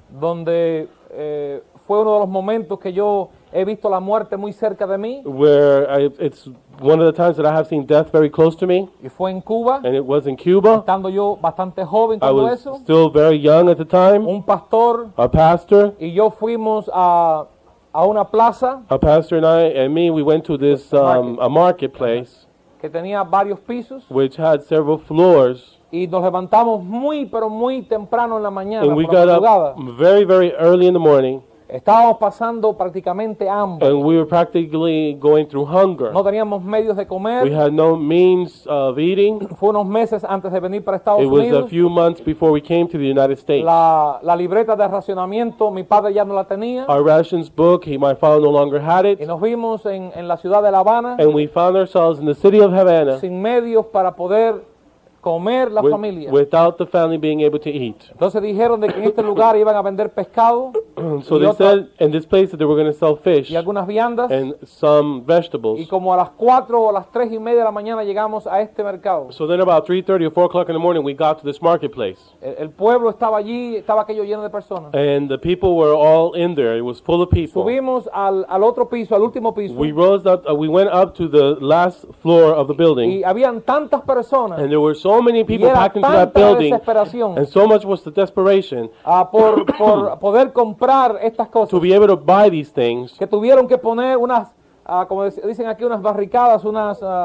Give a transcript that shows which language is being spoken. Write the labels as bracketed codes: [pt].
[es] donde fue uno de los momentos que yo he visto la muerte muy cerca de mí, [en] where it's one of the times that I have seen death very close to me. [es] Y fue en Cuba. [en] And it was in Cuba. [es] Estando yo bastante joven, [en] I was [es] eso, [en] still very young at the time. [es] Un pastor. [en] A pastor. [es] Y yo fuimos a una plaza. [en] A pastor and me, we went to this a marketplace. [es] Que tenía varios pisos. [en] Which had several floors. [es] Y nos levantamos muy, pero muy temprano en la mañana. [en] And we got up very, very early in the morning. [es] Estábamos pasando prácticamente hambre. [en] And we were practically going through hunger. [es] No teníamos medios de comer. [en] We had no means of eating. [es] Fue unos meses antes de venir para Estados [en] It [es] Unidos. [en] It was a few months before we came to the United States. [es] La libreta de racionamiento, mi padre ya no la tenía. [en] Our rations book, my father no longer had it. [es] Y nos vimos en la ciudad de La Habana. [en] And we found ourselves in the city of Havana. [es] Sin medios para poder comer la familia. [en] Without the family being able to eat. [es] Entonces dijeron de que en este lugar iban a vender pescado. [en] So they said in this place that they were going to sell fish. [es] Y algunas viandas. [en] And some vegetables. [es] Y como a las 4 o las 3 y media de la mañana llegamos a este mercado. [en] So then about 3:30 or 4 o'clock in the morning we got to this marketplace. [es] El pueblo estaba allí, estaba aquello lleno de personas. [en] And the people were all in there. It was full of people. [es] Subimos al otro piso, al último piso. [en] We went up to the last floor of the building. [es] Y habían tantas personas. [en] And there were so many people packed into that building, and so much was the desperation [es] por poder comprar estas cosas, [en] to be able to buy these things, [es] que tuvieron que poner unas, como dicen aquí, unas barricadas, unas,